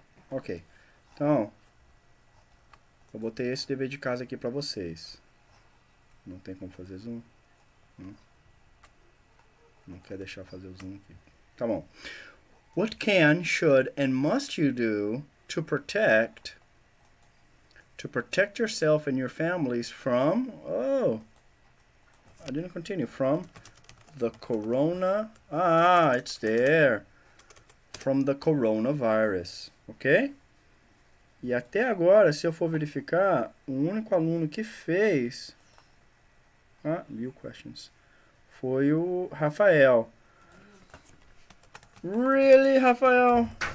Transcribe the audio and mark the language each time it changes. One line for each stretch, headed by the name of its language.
Portuguese: Ok. Então, eu botei esse dever de casa aqui para vocês. Não tem como fazer zoom? Não. Não quer deixar fazer o zoom aqui. Tá bom.
English: What can, should, and must you do to protect yourself and your families from, oh, I didn't continue, from the corona, it's there, from the coronavirus, ok?
Portuguese: E até agora, se eu for verificar, o único aluno que fez, mil questions, foi o Rafael.
English: Really, Rafael?